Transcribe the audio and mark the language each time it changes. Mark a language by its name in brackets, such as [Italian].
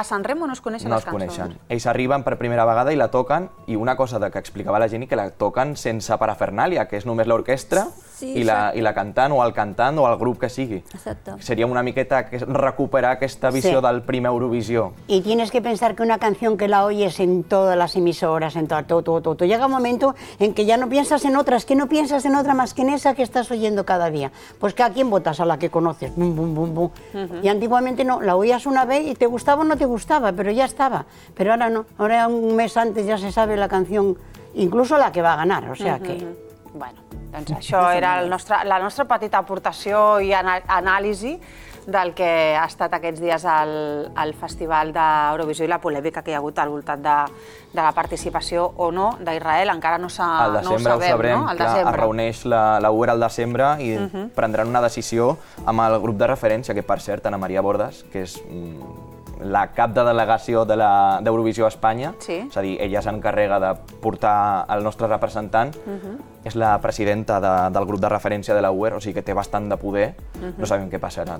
[Catalan] A San Remo no es coneixen les cançons? No es coneixen. Ells arriben per primera vegada i la toquen, i una cosa que explicava la Jenny, que la toquen sense parafernàlia, que és només l'orquestra i la cantant, o el cantant, o el grup que sigui. Seria una miqueta recuperar aquesta visió del primer Eurovisió. [Spanish] I tienes que pensar que una canción que la oyes en todas las emisoras, en todo, llega un momento en que ya no piensas en otra, es que no piensas en otra más que en esa que estás oyendo cada día. Pues que a quién votas, a la que conoces, bum, bum, bum, bum. Y antiguamente no, la oías una vez y te gustaba o no te gustaba, pero ya estaba. Pero ahora no, ahora un mes antes ya se sabe la canción, incluso la que va a ganar, o sea que... [Catalan] Bueno, doncs això era la nostra petita aportació i anàlisi del que ha estat aquests dies al Festival d'Eurovisió i la polèmica que hi ha hagut al voltant de la participació o no d'Israel. Encara no ho sabem, no? El desembre ho sabrem, que es reuneix la UER al desembre i prendran una decisió amb el grup de referència, que per cert, Ana Maria Bordas, que és la cap de delegació d'Eurovisió a Espanya, és a dir, ella s'encarrega de portar el nostre representant, és la presidenta del grup de referència de la UER, o sigui que té bastant de poder, no sabem què passarà.